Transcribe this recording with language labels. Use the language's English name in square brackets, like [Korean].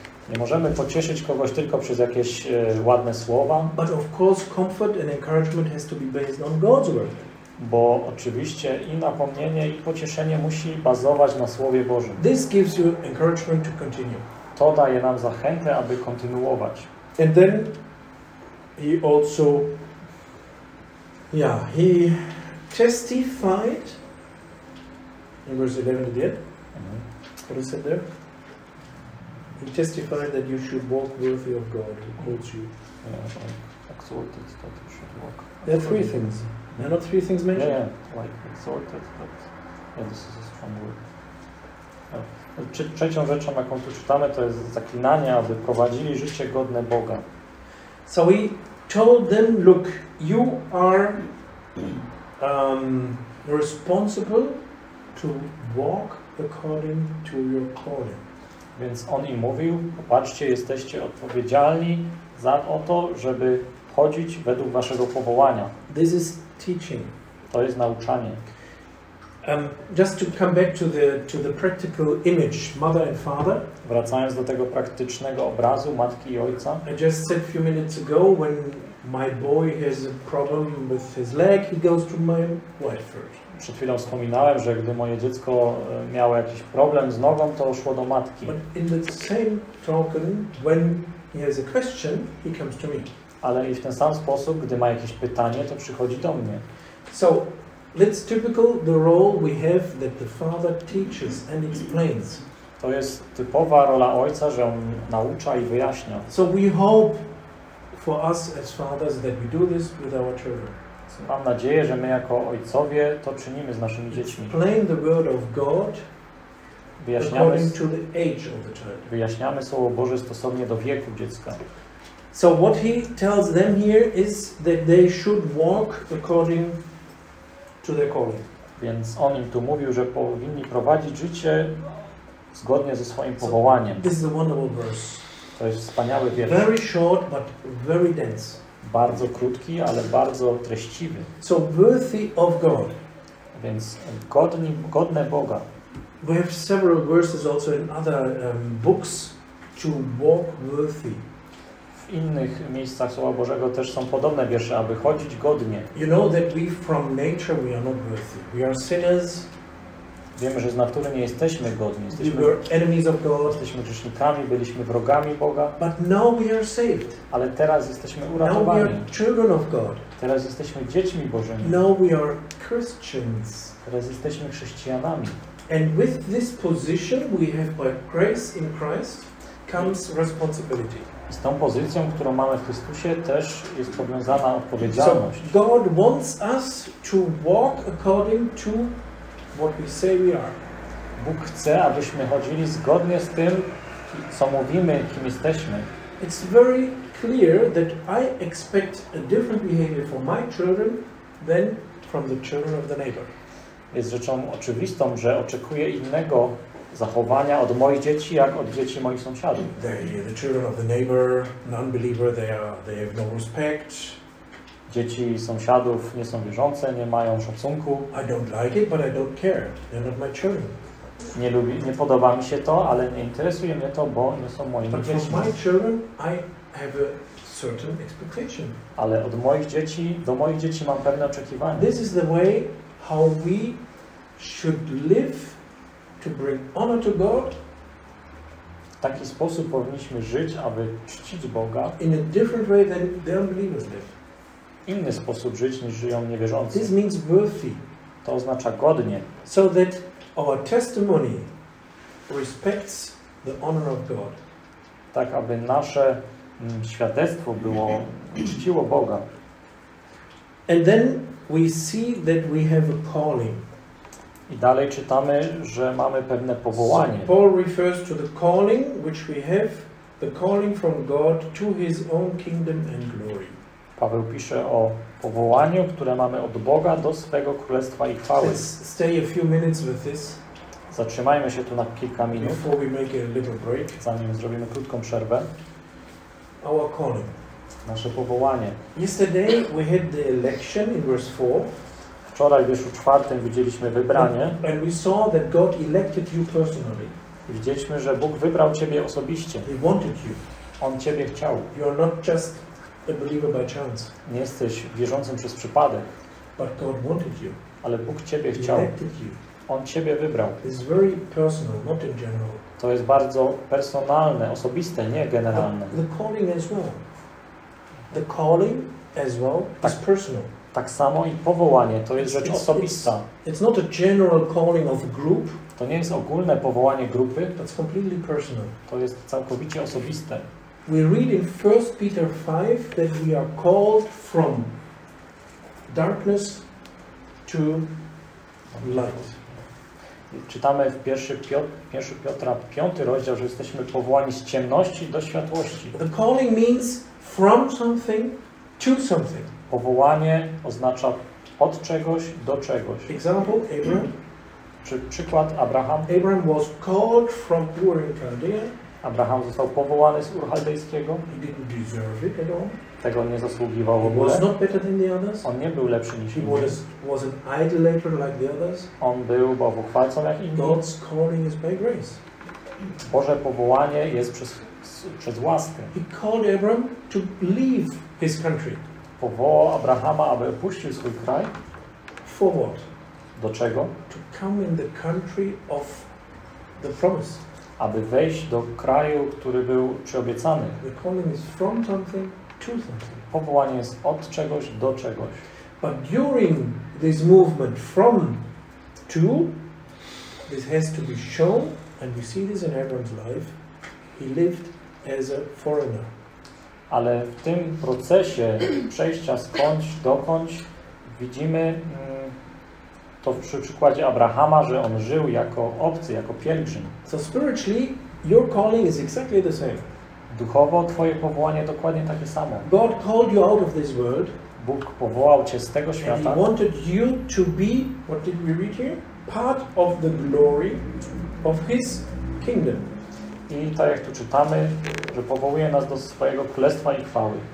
[Polish] Nie możemy pocieszyć kogoś tylko przez jakieś ładne słowa. [English] But of course comfort and encouragement has to be based on God's word. [Polish] Bo oczywiście i napomnienie, i pocieszenie musi bazować na Słowie Bożym. [English] This gives you encouragement to continue. [Polish] To daje nam zachętę, aby kontynuować. [English] And then he also, yeah, he testified In verse 11 it did. Mm-hmm. What is it there? He testified that you should walk worthy of God who calls you. Exhorted that you should walk. There are three things. There are not three things mentioned? Yeah, yeah. Like exhorted, but yeah, this is a strong word. Yeah. [Polish] Trzecią rzeczą, jaką tu czytamy, to jest zaklinanie, aby prowadzili życie godne Boga. [English] So he told them, look, you are responsible to walk according to your calling. [Polish] Więc on im mówił, popatrzcie, jesteście odpowiedzialni za to, żeby chodzić według waszego powołania. [English] This is teaching. [Polish] To jest nauczanie. [English] Just to come back to the practical image, mother and father. [Polish] Wracając do tego praktycznego obrazu matki i ojca. [English] I just said a few minutes ago, when my boy has a problem with his leg, he goes to my wife first. [Polish] Przed chwilą wspominałem, że gdy moje dziecko miało jakiś problem z nogą, to szło do matki. [English] But in the same token, when he has a question, he comes to me. [Polish] Ale i w ten sam sposób, gdy ma jakieś pytanie, to przychodzi do mnie. [English] So, it's typical the role we have that the father teaches and explains. [Polish] To jest typowa rola ojca, że on naucza i wyjaśnia. [English] So we hope for us as fathers that we do this with our children. [Polish] Mam nadzieję, że my jako ojcowie to czynimy z naszymi dziećmi. [English] Explain the word of God according to the age of the child. [Polish] Wyjaśniamy Słowo Boże stosownie do wieku dziecka. [English] So what he tells them here is that they should walk according to their calling. [Polish] Więc on im tu mówił, że powinni prowadzić życie zgodnie ze swoim powołaniem. [English] So this is a wonderful verse. [Polish] To jest wspaniały wiersz. [English] Very short, but very dense. [Polish] Bardzo krótki, ale bardzo treściwy. [English] So worthy of God. [Polish] Więc godne Boga. [English] We have several verses also in other books to walk worthy. [Polish] W innych miejscach Słowa Bożego też są podobne wiersze, aby chodzić godnie. [English] You know that we from nature we are not worthy. We are sinners. [Polish] Wiemy, że z natury nie jesteśmy godni. [English] We were enemies of God. [Polish] Jesteśmy grzesznikami, byliśmy wrogami Boga. [English] But now we are saved. [Polish] Ale teraz jesteśmy uratowani. [English] Now we are children of God. [Polish] Teraz jesteśmy dziećmi Bożymi. [English] Now we are Christians. [Polish] Teraz jesteśmy chrześcijanami. [English] And with this position we have by grace in Christ comes responsibility. [Polish] Z tą pozycją, którą mamy w Chrystusie, też jest powiązana odpowiedzialność. [English] So God wants us to walk according to what we say we are. [Polish] Bóg chce, abyśmy chodzili zgodnie z tym, co mówimy, kim jesteśmy. [English] It's very clear that I expect a different behavior from my children than from the children of the neighbor. [Polish] Jest rzeczą oczywistą, że oczekuję innego zachowania od moich dzieci, jak od dzieci moich sąsiadów. [English] The children of the neighbor, non-believer, they have no respect. [Polish] Dzieci sąsiadów nie są wierzące, nie mają szacunku. [English] I don't like it, but I don't care. They're not my children. [Polish] Nie podoba mi się to, ale nie interesuje mnie to, bo nie są moimi dziećmi. [English] But from my children, I have a certain expectation. [Polish] Ale od moich dzieci, do moich dzieci mam pewne oczekiwania. [English] This is the way how we should live to bring honor to God. [Polish] W taki sposób powinniśmy żyć, aby czcić Boga. [English] In a different way than the unbelievers live. [Polish] Inny sposób żyć niż żyją niewierzący. [English] This means worthy. [Polish] To oznacza godnie. [English] So that our testimony respects the honor of God. [Polish] Tak, aby nasze świadectwo było czciło Boga. [English] And then we see that we have a calling. [Polish] I dalej czytamy, że mamy pewne powołanie. [English] So Paul refers to the calling which we have, the calling from God to his own kingdom and glory. [Polish] Paweł pisze o powołaniu, które mamy od Boga do swego królestwa i chwały. [English] Let's stay a few minutes with this. [Polish] Zatrzymajmy się tu na kilka minut. [English] Before we make a little break. [Polish] Zanim zrobimy krótką przerwę. [English] Our calling. [Polish] Nasze powołanie. [English] Yesterday we had the election in verse 4. [Polish] Wczoraj w wierszu 4 widzieliśmy wybranie. [English] And we saw that God elected you personally. [Polish] Widzieliśmy, że Bóg wybrał ciebie osobiście. [English] He wanted you. [Polish] On ciebie chciał. [English] You're not just a believer by chance. [Polish] Nie jesteś wierzącym przez przypadek. [English] But God wanted you. [Polish] Ale Bóg ciebie chciał. On ciebie wybrał. [English] This is very personal, not in general. [Polish] To jest bardzo personalne, osobiste, nie generalne. [English] The calling as well. The calling as well is personal. [Polish] Tak samo i powołanie to jest rzecz osobista. [English] It's not a general calling of a group. [Polish] To nie jest ogólne powołanie grupy. [English] That's completely personal. [Polish] To jest całkowicie osobiste. [English] We read in 1 Peter 5 that we are called from darkness to light. [Polish] Czytamy w 1 Piotra 5 rozdział, że jesteśmy powołani z ciemności do światłości. [English] The calling means from something to something. [Polish] Powołanie oznacza od czegoś do czegoś. [English] Example, Abraham. [Polish] Przykład Abraham. [English] Abraham was called from Ur in Chaldea. [Polish] Abraham został powołany z Ur Chaldejskiego. [English] He didn't deserve it at all. [Polish] Tego nie zasługiwał w ogóle. [English] He was not better than the others. [Polish] On nie był lepszy niż inni. [English] He was an idolater like the others. [Polish] On był bałwochwalcą jak inni. [English] God's calling is by grace. [Polish] Boże powołanie jest przez łaskę. [English] He called Abraham to leave his country. [Polish] Powołał Abrahama, aby opuścił swój kraj. [English] For what? [Polish] Do czego? [English] To come in the country of the promise. [Polish] Aby wejść do kraju, który był przyobiecany. [English] The calling is from something to something. [Polish] Powołanie jest od czegoś do czegoś. [English] But during this movement from to, this has to be shown, and we see this in Abraham's life, he lived as a foreigner. [Polish] Ale w tym procesie przejścia skądś dokądś widzimy to przy przykładzie Abrahama, że on żył jako obcy, jako pielgrzym. [English] So spiritually your calling is exactly the same. [Polish] Duchowo twoje powołanie dokładnie takie samo. [English] God called you out of this world. [Polish] Bóg powołał cię z tego świata. [English] And he wanted you to be, what did we read here? Part of the glory of his kingdom. [Polish] I tak jak tu czytamy, że powołuje nas do swojego królestwa i chwały.